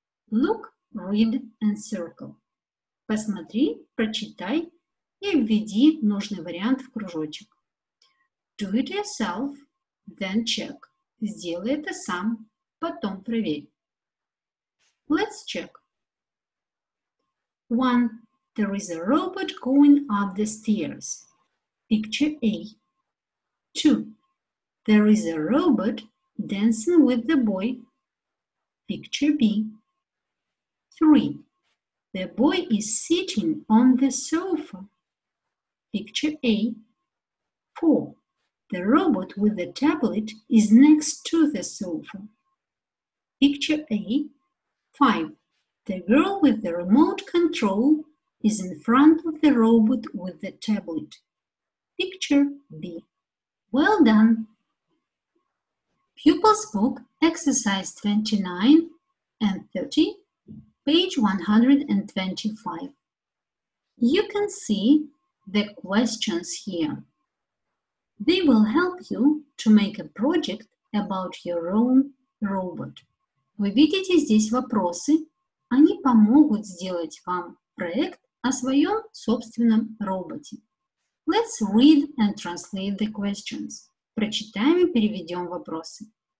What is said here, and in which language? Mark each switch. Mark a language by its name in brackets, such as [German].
[English] Look, read and circle. [Russian] Посмотри, прочитай и введи нужный вариант в кружочек. [English] Do it yourself, then check. [Russian] Сделай это сам, потом проверь. [English] Let's check. 1. There is a robot going up the stairs. Picture A. 2. There is a robot dancing with the boy. Picture B. 3. The boy is sitting on the sofa. Picture A. 4. The robot with the tablet is next to the sofa. Picture A. 5. The girl with the remote control is in front of the robot with the tablet. Picture B. Well done! Pupil's Book, Exercise 29 and 30, page 125. You can see the questions here. They will help you to make a project about your own robot. [Russian] Вы видите здесь вопросы? Они помогут сделать вам проект о своем собственном роботе. [English] Let's read and translate the questions. [Russian] Прочитаем и переведем вопросы.